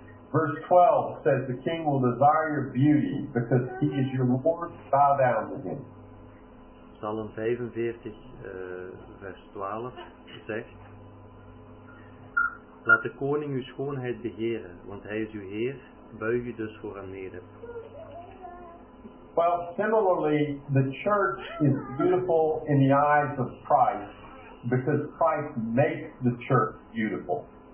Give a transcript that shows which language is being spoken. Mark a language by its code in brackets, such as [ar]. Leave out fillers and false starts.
[en] Verse 12 says, the king will desire your beauty because he is your Lord, bow down to him. [nl] Psalm 45, vers 12 zegt, laat de koning uw schoonheid begeren, want hij is uw heer, buig u dus voor hem neder. [en] Well, similarly, the church is beautiful in the eyes of Christ, because Christ makes the church beautiful.